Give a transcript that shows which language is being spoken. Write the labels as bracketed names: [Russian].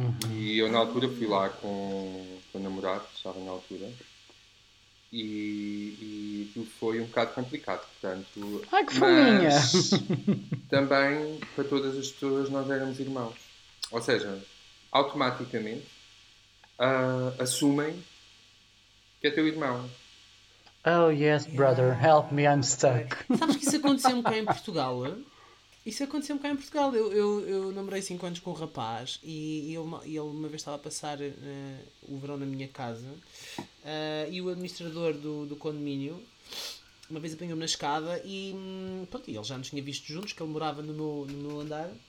[Portuguese] E eu na altura fui lá com o namorado, que estava na altura, e foi um bocado complicado, portanto, Ai, que fominha! mas também para todas as pessoas nós éramos irmãos. Ou seja, automaticamente assumem que é teu irmão. [English] Oh, yes, brother, help me, I'm Ok. stuck. [Portuguese] Sabes que isso aconteceu-me cá em Portugal? Isso aconteceu-me cá em Portugal. Eu namorei 5 anos com um rapaz e ele uma vez estava a passar o verão na minha casa e o administrador do condomínio uma vez apanhou-me na escada pronto, e ele já nos tinha visto juntos, que ele morava no meu andar.